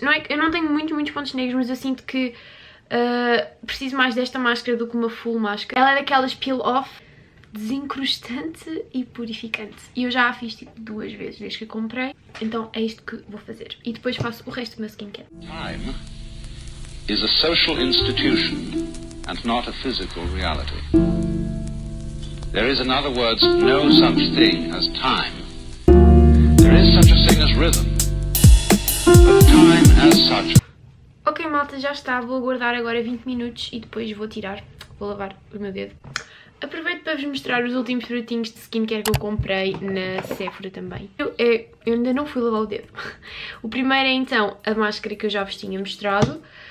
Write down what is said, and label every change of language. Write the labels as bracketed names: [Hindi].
[Portuguese] Não é que, eu não tenho muitos pontos negros, mas eu sinto que preciso mais desta máscara do que uma full máscara. Ela é daquelas peel-off, desincrustante e purificante. E eu já a fiz tipo duas vezes desde que comprei, então é isto que vou fazer. E depois faço o resto do meu skincare. [English] Time is a social institution and not a physical reality. There is, in other words, no such thing as time. There is such a thing as rhythm. But time as such. [Portuguese] Ok, malta, já está. Vou aguardar agora 20 minutos e depois vou tirar. Vou lavar o meu dedo. Aproveito para vos mostrar os últimos produtinhos de skincare que eu comprei na Sephora também. Eu ainda não fui lavar o dedo. O primeiro é então a máscara que eu já vos tinha mostrado.